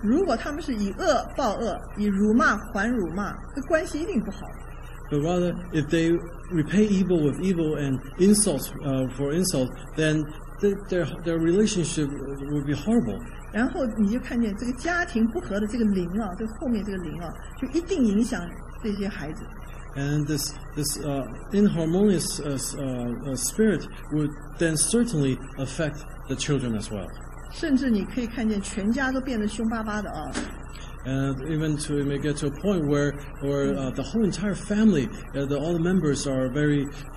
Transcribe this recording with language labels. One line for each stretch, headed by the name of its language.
Chinese: 如果他们是以恶报恶，以辱骂还辱骂，这关系一定不好。
English: But rather, if they repay evil with evil and insult for insult, then their relationship would be horrible.
Chinese: 然后你就看见这个家庭不和的这个灵啊，这后面这个灵啊，就一定影响这些孩子。
English: And this inharmonious spirit would then certainly affect the children as well.
Chinese: 甚至你可以看见全家都变得凶巴巴的啊。
English: And even to it may get to a point where the whole entire family, all the members are very